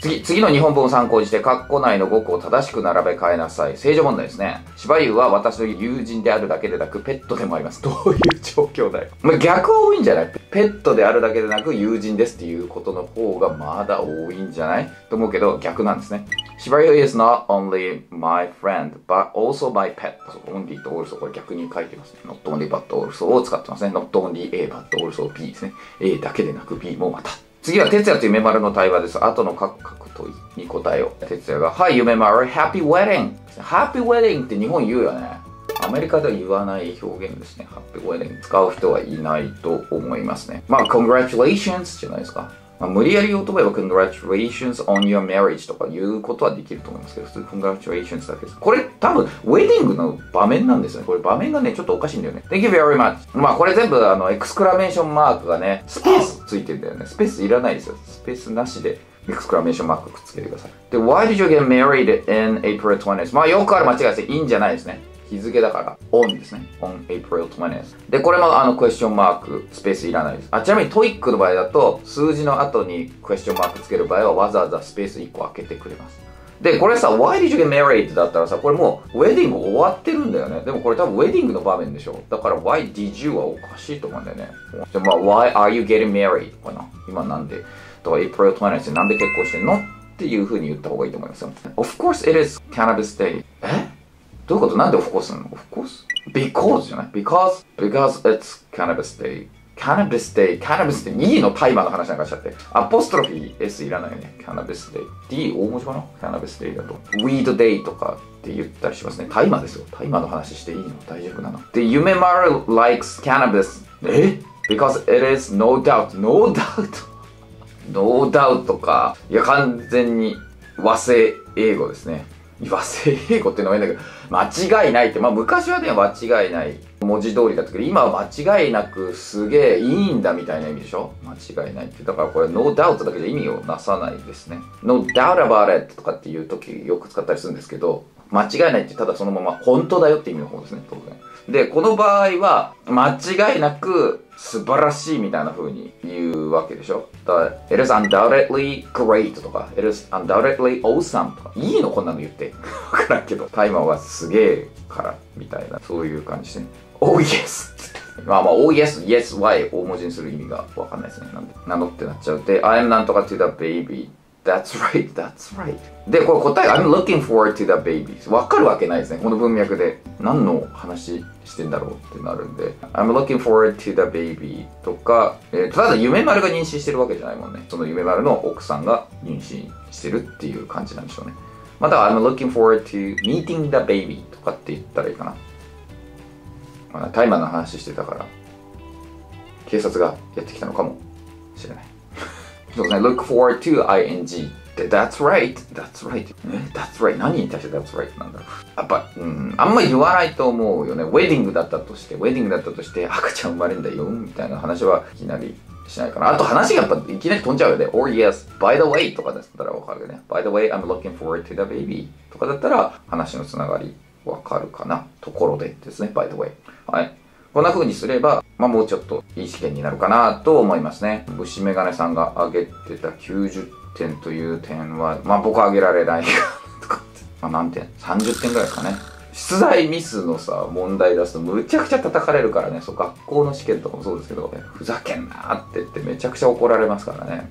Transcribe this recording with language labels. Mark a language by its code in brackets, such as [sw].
[ja] 次の日本文を参考にして、カッコ内の語句を正しく並べ替えなさい。正常問題ですね。柴犬は私の友人であるだけでなく、ペットでもあります。どういう状況だよ。まあ、逆は多いんじゃない？ペットであるだけでなく、友人ですっていうことの方がまだ多いんじゃない？と思うけど、逆なんですね。柴犬 [en] is not only my friend, but also my pet. [ja] そう、 [en] only [ja] と [en] also、 [ja] これ逆に書いてますね。 [en] not only but also [ja] を使ってますね。 [en] not only A but also B [ja] ですね。 A だけでなく B もまた。次は、哲也と夢丸の対話です。後のカクカク問いに答えを。哲也が、はい、夢丸、 [en] Happy Wedding! Happy Wedding [ja] って日本言うよね。アメリカでは言わない表現ですね。 Happy Wedding。使う人はいないと思いますね。まあ、 [en] Congratulations [ja] じゃないですか。まあ、無理やり言おうと思えば、 [en] Congratulations on your marriage [ja] とか言うことはできると思いますけど、普通 [en] Congratulations [ja] だけです。これ、多分、Wedding の場面なんですよね。これ、場面がね、ちょっとおかしいんだよね。 [en] Thank you very much。 [ja] まあ、これ全部、エクスクラメーションマークがね、スペースついてんだよね。スペースいらないですよ。スペースなしで。エクスクラメーションマークくっつけてください。 [en] で、Why did you get married in April 20th? [ja] まあよくある間違いです。 in じゃないですね。日付だから。on ですね。on April 20th。で、これもクエスチョンマーク、スペースいらないです。あ、ちなみに TOEIC の場合だと、数字の後にクエスチョンマークつける場合は、わざわざスペース1個開けてくれます。 [en] で、これさ、Why did you get married? [ja] だったらさ、これもう、ウェディング終わってるんだよね。でもこれ多分、ウェディングの場面でしょ。 [en] だから、Why did you? [ja] はおかしいと思うんだよね。 [en] じゃあ、まあ、Why are you getting married? [ja] かな。今なんで、とか、 [en] April 20th [ja] でなんで結婚してんのっていう風に言った方がいいと思いますよ。 [en] Of course it is cannabis day. [ja] え?どういうこと? なんで [en] of course [ja] なの [en] ?of course? Because [ja] じゃない [en] ?because it's cannabis day. Cannabis day. Cannabis day. [ja] 2のタイマーの話なんかしちゃって。アポストロフィー S いらないよね。 [en] Cannabis day. [ja] D 大文字かな ? [en] Cannabis day [ja] だと。 [en] Weed day [ja] とかって言ったりしますね。タイマーですよ。タイマーの話していいの? 大丈夫なの? [en] で、 [ja] 夢丸 [en] likes cannabis. え ?because it is no doubt. No doubt. No doubt か。 [ja] いや、完全に和製英語ですね。和製英語っていうのはいいんだけど、間違いないって。まあ昔はね、間違いない。文字通りだったけど、今は間違いなくすげえいいんだみたいな意味でしょ? 間違いないって。だからこれ、 [en] no doubt [ja] だけで意味をなさないですね。 [en] no doubt about it [ja] とかっていう時よく使ったりするんですけど、間違いないってただそのまま本当だよって意味の方ですね、当然。で、この場合は、間違いなく素晴らしいみたいな風に言うわけでしょ。だから、 [en] It is undoubtedly great [ja] とか、 [en] It is undoubtedly awesome [ja] とか、いいのこんなの言って。わからんけど、タイマーはすげえから、みたいな、そういう感じですね。 [en] Oh yes! まあまあ、Oh yes, yes, why? [ja] 大文字にする意味がわかんないですね。なんで、名乗ってなっちゃう。 [en] で、I am [ja] なんとか [en] to the baby. That's right, that's right. で、 [ja] これ答え、 [en] I'm looking forward to the baby. [ja] わかるわけないですね。この文脈で。何の話してんだろうってなるんで。 [en] I'm looking forward to the baby [ja] とか、ただ夢丸が妊娠してるわけじゃないもんね。その夢丸の奥さんが妊娠してるっていう感じなんでしょうね。 [en] また、I'm looking forward to meeting the baby [ja] とかって言ったらいいかな。まあ、タイマーの話してたから、警察がやってきたのかもしれない。 [en] そうですね。look forward to ing. That's right. That's right. That's right. [ja] 何に対して that's right なんだろう。やっぱ、あんま言わないと思うよね。ウェディングだったとして、ウェディングだったとして、赤ちゃん生まれんだよ、みたいな話はいきなりしないかな。あと話がやっぱいきなり飛んじゃうよね。 [en] or yes, by the way とかだったらわかるよね。 by the way, I'm looking forward to the baby [ja] とかだったら話のつながりわかるかな。ところでですね。 [en] by the way. [ja] はい。こんな風にすれば、まあ、もうちょっといい試験になるかなと思いますね。虫眼鏡さんが挙げてた90点という点は、まあ、僕は挙げられないかとかって。まあ、何点 ?30 点ぐらいかね。出題ミスのさ、問題出すとむちゃくちゃ叩かれるからね。そう、学校の試験とかもそうですけど、ふざけんなーって言ってめちゃくちゃ怒られますからね。